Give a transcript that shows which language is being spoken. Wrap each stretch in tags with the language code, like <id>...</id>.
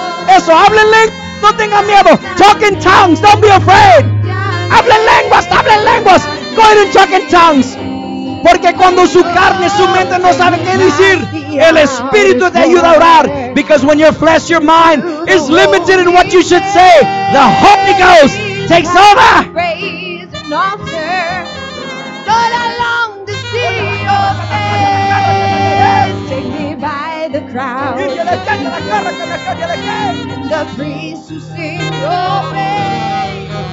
<es>Eso, hable lenguas, no tenga miedo.</es> <en>Talk in tongues, don't be afraid.</en> <es>Hable lenguas,</es> <en>go ahead and talk in tongues.</en> <es>Porque cuando su carne, su mente no sabe qué decir, el Espíritu te ayuda a orar.</es> <en>Because when your flesh, your mind is limited in what you should say, the Holy Ghost takes over. Raise an altar, Lord, along the sea of heaven. Take me by the crown, and the priest who sing your way.</en>